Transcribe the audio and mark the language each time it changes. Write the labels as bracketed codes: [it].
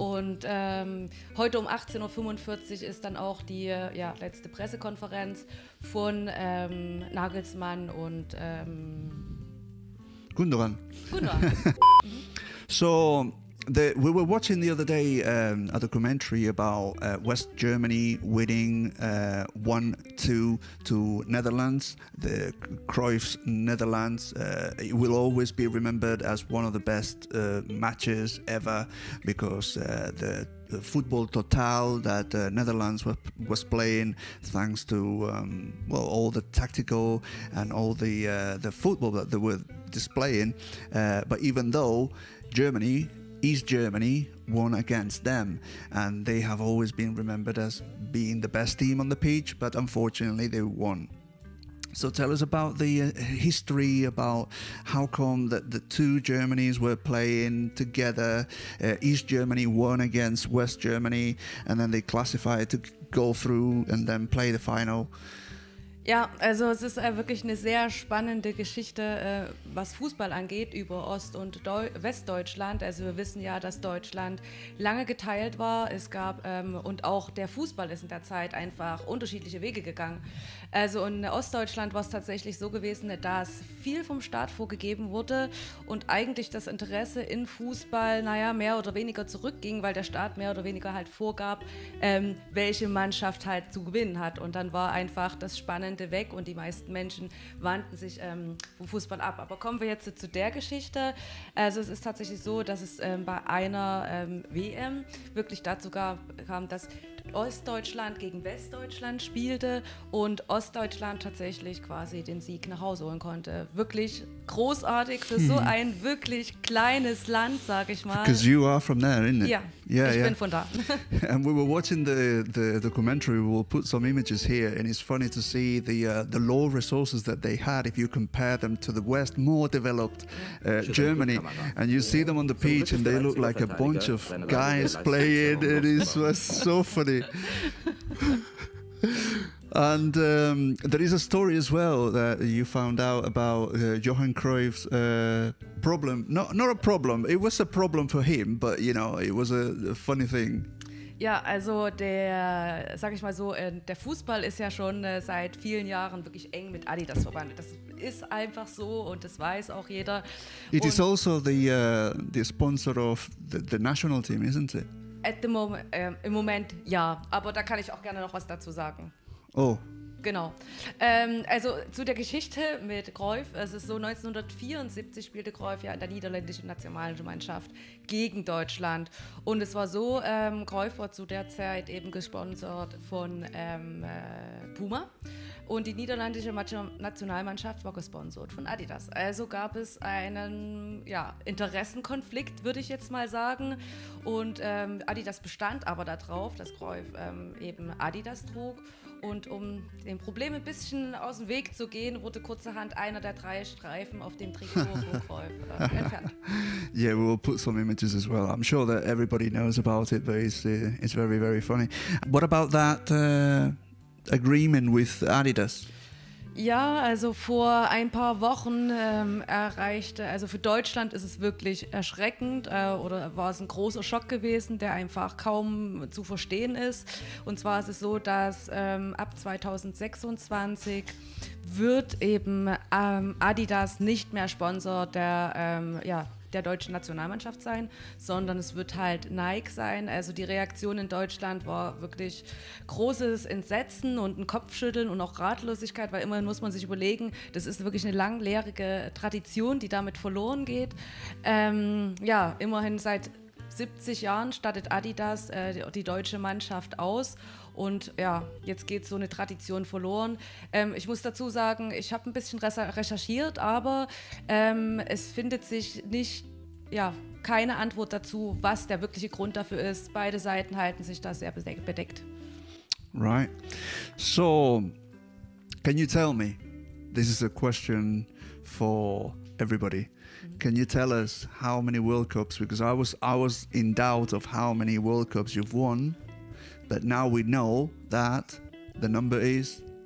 [de] Und heute um 18.45 Uhr ist dann auch die letzte Pressekonferenz von Nagelsmann und Gundogan. [en] So, we were watching the other day a documentary about West Germany winning 1-2 to Netherlands, the Cruyff's Netherlands. It will always be remembered as one of the best matches ever because the football total that Netherlands was playing, thanks to all the tactical and all the football that they were displaying. But even though Germany, East Germany, won against them, and they have always been remembered as being the best team on the pitch, but unfortunately they won. So tell us about the history, about how come that the two Germanys were playing together. East Germany won against West Germany, and then they classified to go through and then play the final. [de] Ja, also es ist wirklich eine sehr spannende Geschichte, was Fußball angeht, über Ost- und Westdeutschland. Also wir wissen ja, dass Deutschland lange geteilt war. Es gab, und auch der Fußball ist in der Zeit einfach unterschiedliche Wege gegangen. Also in Ostdeutschland war es tatsächlich so gewesen, dass viel vom Staat vorgegeben wurde und eigentlich das Interesse in Fußball, naja, mehr oder weniger zurückging, weil der Staat mehr oder weniger halt vorgab, welche Mannschaft halt zu gewinnen hat. Und dann war einfach das Spannende weg und die meisten Menschen wandten sich vom Fußball ab. Aber kommen wir jetzt zu der Geschichte. Also es ist tatsächlich so, dass es bei einer WM wirklich dazu kam, dass Ostdeutschland gegen Westdeutschland spielte und Ostdeutschland tatsächlich quasi den Sieg nach Hause holen konnte. Wirklich großartig für so ein wirklich kleines Land, sag ich mal. [en] Because you are from there, isn't it? [de] Ja, yeah, ich bin von da. [en] And we were watching the documentary. We will put some images here, and it's funny to see the law resources that they had. If you compare them to the West, more developed Germany, and you see them on the pitch, and they look like a bunch of guys playing. It is so funny. And there is a story as well that you found out about Johan Cruyff's problem. Not a problem. It was a problem for him, but you know, it was a funny thing. [de] Ja, also der, sag ich mal so, der Fußball ist ja schon seit vielen Jahren wirklich eng mit Adidas verbandelt. Das ist einfach so und das weiß auch jeder. [en] It is also the sponsor of the national team, isn't it? [de] Im Moment ja, aber da kann ich auch gerne noch was dazu sagen. Oh. Genau. Also zu der Geschichte mit Cruyff. Es ist so, 1974 spielte Cruyff ja in der niederländischen Nationalmannschaft gegen Deutschland. Und es war so, Cruyff war zu der Zeit eben gesponsert von Puma. Und die niederländische Nationalmannschaft war gesponsert von Adidas. Also gab es einen Interessenkonflikt, würde ich jetzt mal sagen. Und Adidas bestand aber darauf, dass Cruyff eben Adidas trug. Und um dem Problem ein bisschen aus dem Weg zu gehen, wurde kurzerhand einer der drei Streifen auf dem Trikot entfernt. [en] Yeah, we will put some images as well. I'm sure that everybody knows about it, but it's very, very funny. What about that agreement with Adidas? [de] Ja, also vor ein paar Wochen erreichte, also für Deutschland ist es wirklich erschreckend oder war es ein großer Schock gewesen, der einfach kaum zu verstehen ist. Und zwar ist es so, dass ab 2026 wird eben Adidas nicht mehr Sponsor der, der deutschen Nationalmannschaft sein, sondern es wird halt Nike sein. Also die Reaktion in Deutschland war wirklich großes Entsetzen und ein Kopfschütteln und auch Ratlosigkeit, weil immerhin muss man sich überlegen, das ist wirklich eine langjährige Tradition, die damit verloren geht. Ja, immerhin seit 70 Jahren stattet Adidas die deutsche Mannschaft aus. Und ja, jetzt geht so eine Tradition verloren. Ich muss dazu sagen, ich habe ein bisschen recherchiert, aber es findet sich nicht, ja, keine Antwort dazu, was der wirkliche Grund dafür ist. Beide Seiten halten sich da sehr bedeckt. [en] Right. So, can you tell me, this is a question for everybody. Can you tell us how many World Cups, because I was in doubt of how many World Cups you've won. But now we know that the number is?